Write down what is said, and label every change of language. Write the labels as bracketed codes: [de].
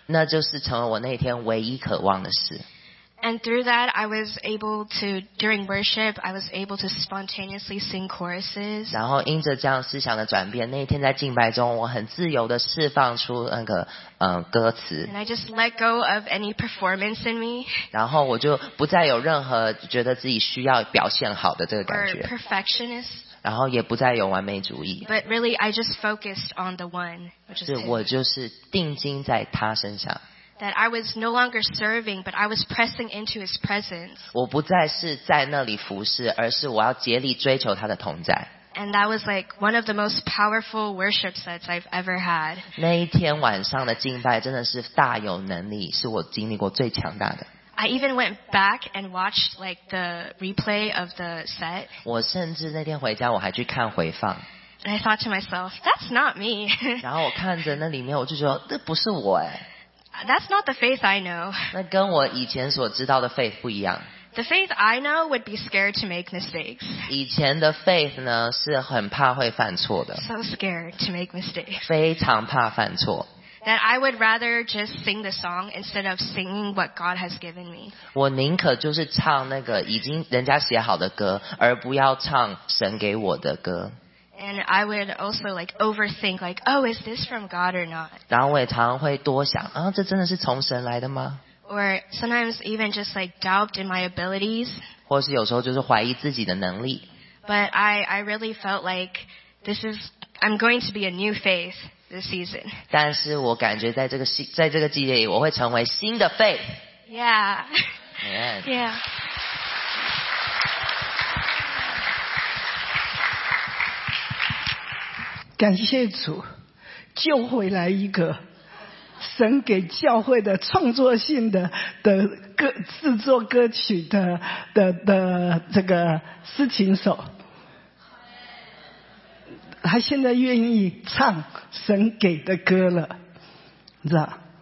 [zh] 那就是成为我那天唯一渴望的事。 [en] And through that, I was able to during worship, I was able to spontaneously sing choruses. [zh] 然后因着这样思想的转变，那天在敬拜中，我很自由的释放出那个歌词。 [en] And I just let go of any performance in me. [zh] 然后我就不再有任何觉得自己需要表现好的这个感觉。 [en] Or perfectionist. [zh] 然后也不再有完美主义。 [en] But really, I just focused on the one. [zh] 是我就是定睛在他身上。 [en] That I was no longer serving, but I was pressing into His presence. [zh] 我不再是在那里服侍，而是我要竭力追求他的同在。 [en] And that was like one of the most powerful worship sets I've ever had. [zh] 那一天晚上的敬拜真的是大有能力，是我经历过最强大的。 [en] I even went back and watched like the replay of the set. [zh] 我甚至那天回家我还去看回放。 [en] And I thought to myself, that's not me. [zh] 然后我看着那里面，我就说，这不是我哎。 [en] That's not the faith I know. [zh] 那跟我以前所知道的 faith 不一样。 [en] The faith I know would be scared to make mistakes. [zh] 以前的 faith 呢是很怕会犯错的。 [en] So scared to make mistakes. [zh] 非常怕犯错。 [en] That I would rather just sing the song instead of singing what God has given me. [zh] 我宁可就是唱那个已经人家写好的歌，而不要唱神给我的歌。 [en] And I would also like overthink, like, oh, is this from God or not? [zh] 然后我也常常会多想，啊，这真的是从神来的吗？ [en] Or sometimes even just like doubt in my abilities. [zh] 或是有时候就是怀疑自己的能力。 [en] But I really felt like this is, I'm going to be a new faith this season. [zh] 但是我感觉在这个新，在这个季节里，我会成为新的 faith. [en] Yeah. Amen. Yeah. [zh] 感谢主，救回来一个神给教会的创作性的的歌制作歌曲的的的这个司琴手，他现在愿意唱神给的歌了，你知道？